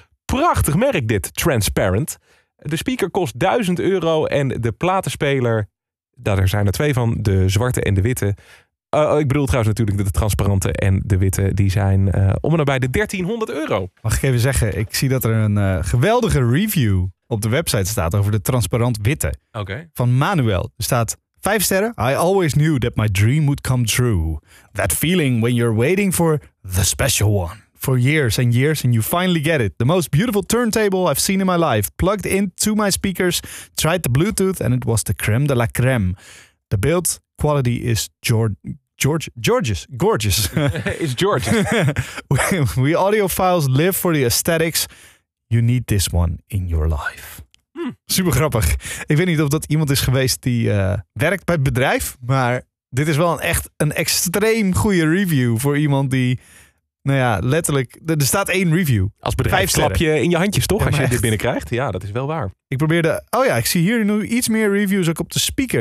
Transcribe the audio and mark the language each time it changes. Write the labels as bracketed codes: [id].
[nl] Prachtig merk dit, Transparent. De speaker kost 1000 euro en de platenspeler, daar zijn er 2 van, de zwarte en de witte. Ik bedoel trouwens natuurlijk de transparante en de witte. Die zijn om en nabij de 1300 euro. Mag ik even zeggen, ik zie dat er een geweldige review op de website staat over de transparant witte. Okay. Van Manuel. Er staat 5 sterren. [en] I always knew that my dream would come true. That feeling when you're waiting for the special one. For years and years and you finally get it. The most beautiful turntable I've seen in my life. Plugged into my speakers. Tried the Bluetooth and it was the crème de la crème. The build quality is gorgeous. It's gorgeous. We audiophiles live for the aesthetics. You need this one in your life. [nl] Super grappig. Ik weet niet of dat iemand is geweest die werkt bij het bedrijf, maar dit is wel echt een extreem goede review voor iemand die, nou ja, letterlijk, er staat 1 review. Als bedrijf klap je in je handjes toch, ja, als je dit binnenkrijgt? Ja, dat is wel waar. Ik probeerde, ik zie hier nu iets meer reviews ook op de speaker.